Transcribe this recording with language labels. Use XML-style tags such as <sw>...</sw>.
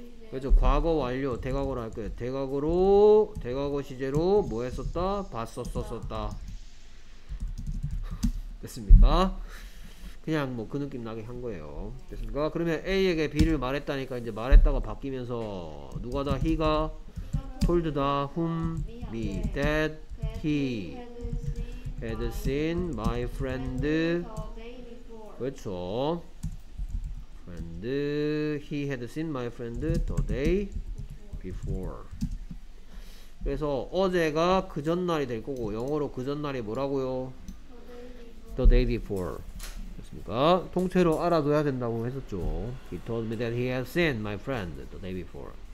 <ko>그렇죠 과거 완료 대과거로 할 거예요 대과거로 대과거 시제로 뭐 했었다? 봤었었었다 됐습니까? 그냥 뭐그 느낌 나게 한 거예요. 됐습니까? 그러면 A에게 B를 말했다니까 이제 말했다가 바뀌면서 누가다?</ko> <en>He가 told다 whom me that he had seen my friend.</en> <ko>그렇죠. Friend.</ko> <en>He had seen my friend the day before.</en> <ko>그래서 어제가 그 전날이 될 거고 영어로 그 전날이 뭐라고요?</ko> <en>The day before.</en> <ko>그러니까 통째로 알아둬야 된다고 했었죠.</ko> <en>He told me that he had seen my friend the day before.</en>